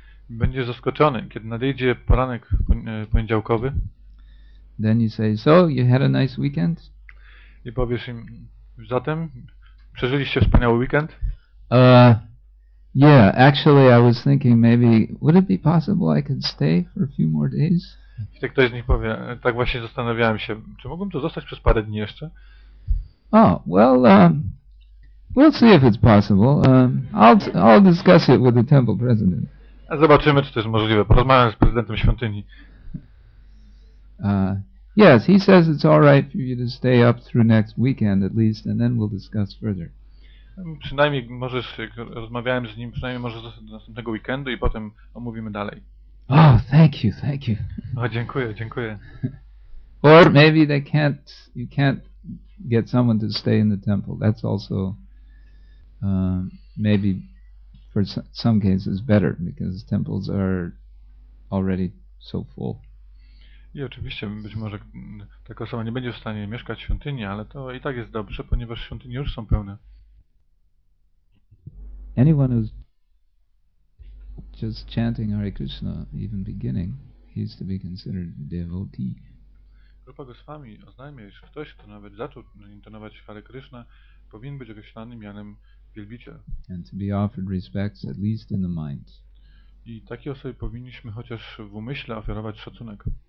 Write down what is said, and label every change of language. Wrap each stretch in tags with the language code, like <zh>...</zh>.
<pl>Będziesz zaskoczony, kiedy nadejdzie poranek poniedziałkowy.</pl> <en>Then you say, so you had a nice weekend?</en> <pl>I powiesz im, zatem przeżyliście wspaniały weekend?</pl> <en>Yeah, actually I was thinking maybe, would it be possible I could stay for a few more days?</en> <pl>I tak ktoś z nich powie, tak właśnie zastanawiałem się, czy mógłbym tu zostać przez parę dni jeszcze?</pl> <en>Oh, well, we'll see if it's possible. I'll discuss it with the temple president.</en> <pl>A zobaczymy, czy to jest możliwe. Porozmawiam z prezydentem świątyni.</pl> <en>Yes, he says it's all right for you to stay up through next weekend at least, and then we'll discuss further.</en> <pl>Przynajmniej możesz, jak rozmawiałem z nim, przynajmniej możesz zostać do następnego weekendu i potem omówimy dalej.</pl> <en>Oh, thank you.</en> <pl>O, dziękuję.</pl> <en>Or maybe they can't, you can't get someone to stay in the temple. That's also maybe for some cases better because temples are already so full.</en> <pl>I oczywiście być może taka osoba nie będzie w stanie mieszkać w świątyni, ale to i tak jest dobrze, ponieważ świątynie już są pełne.</pl> <en>Anyone who's just chanting Hare Krishna, even beginning, he is to be considered a devotee.</en> <pl>Grupa Goswami oznajmia, iż ktoś, kto nawet zaczął intonować Hare Krishna, powinien być określany mianem wielbiciel.</pl> <en>And to be offered respects at least in the mind.</en> <pl>I takiej osobie powinniśmy chociaż w umyśle ofiarować szacunek.</pl>